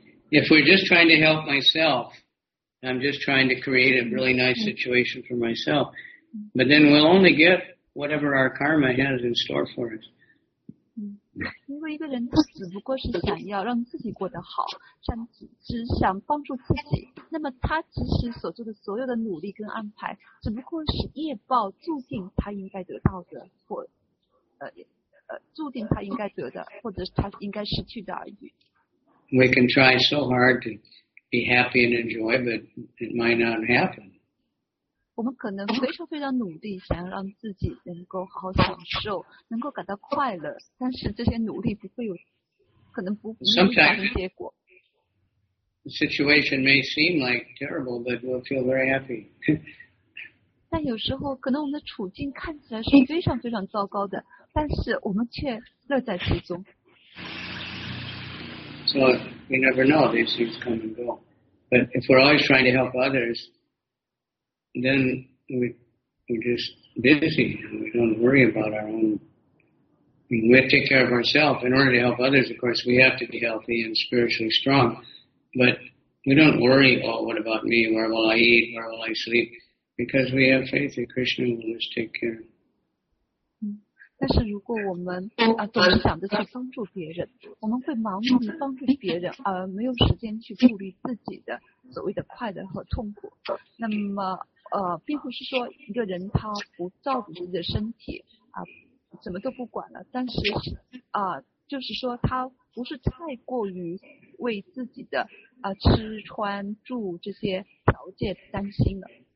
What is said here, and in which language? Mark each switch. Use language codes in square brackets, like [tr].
[en] If we're just trying to help myself, I'm just trying to create a really nice situation for myself. But then we'll only get whatever our karma has in store for us. [zh] 因为一个人他只不过是想要让自己过得好，想只想帮助自己，那么他其实所做的所有的努力跟安排，只不过是业报注定他应该得到的，或注定他应该得的，或者他应该失去的而已。 [en] We can try so hard to be happy and enjoy, but it might not happen. [zh] 我们可能非常非常努力，想要让自己能够好好享受，能够感到快乐，但是这些努力不会有，可能不会有结果。 [en] The situation may seem like terrible, but we'll feel very happy. [zh] 但有时候可能我们的处境看起来是非常非常糟糕的，但是我们却乐在其中。 [en] So we never know, these things come and go. But if we're always trying to help others, then we're just busy and we don't worry about our own. We have to take care of ourselves. In order to help others, of course, we have to be healthy and spiritually strong. But we don't worry, oh, what about me? Where will I eat? Where will I sleep? Because we have faith that Krishna will just take care of us. [zh] 但是如果我们总是想着去帮助别人，我们会盲目的帮助别人，而没有时间去顾虑自己的所谓的快乐和痛苦。那么并不是说一个人他不照顾自己的身体什么都不管了，但是就是说他不是太过于为自己的吃穿住这些条件担心了。